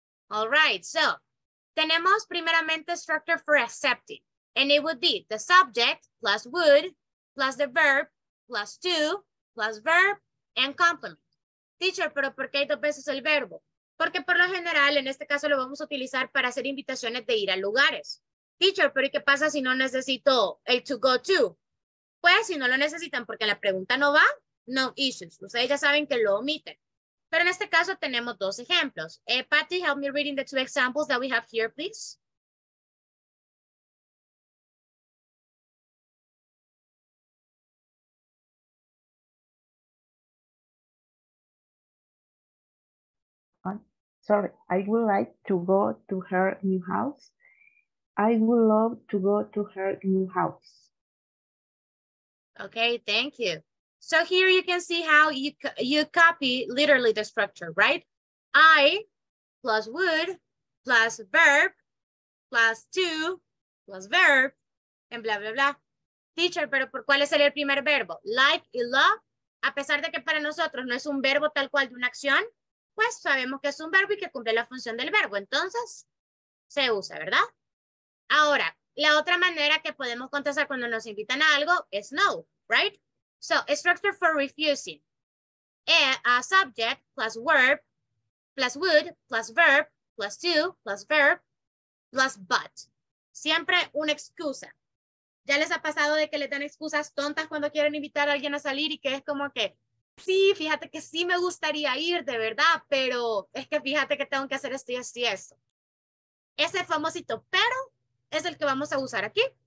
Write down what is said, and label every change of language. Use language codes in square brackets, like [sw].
[en] All right, so [es] tenemos primeramente [en] structure for accepting, and it would be the subject plus would plus the verb plus to plus verb and complement. [es] Teacher, pero ¿por qué hay dos veces el verbo? Porque por lo general, en este caso, lo vamos a utilizar para hacer invitaciones de ir a lugares. Teacher, pero ¿y qué pasa si no necesito el to go to? Pues si no lo necesitan porque la pregunta no va, [en] no issues. [es] Ustedes ya saben que lo omiten. Pero en este caso tenemos dos ejemplos. [en] Patty, help me reading the two examples that we have here, please. Sorry, I would like to go to her new house. I would love to go to her new house. Okay, thank you. So here you can see how you copy literally the structure, right? I plus would plus verb plus to plus verb and blah, blah, blah. [es] Teacher, pero ¿por cuál sería el primer verbo? Like y love, a pesar de que para nosotros no es un verbo tal cual de una acción, pues sabemos que es un verbo y que cumple la función del verbo. Entonces, se usa, ¿verdad? Ahora, la otra manera que podemos contestar cuando nos invitan a algo es no, right? [en] So, a structure for refusing. A subject plus verb plus would plus verb plus to plus verb plus but. [es] Siempre una excusa. ¿Ya les ha pasado de que le dan excusas tontas cuando quieren invitar a alguien a salir y que es como que, sí, fíjate que sí me gustaría ir, de verdad, pero es que fíjate que tengo que hacer esto y esto y esto? Ese famosito pero es el que vamos a usar aquí.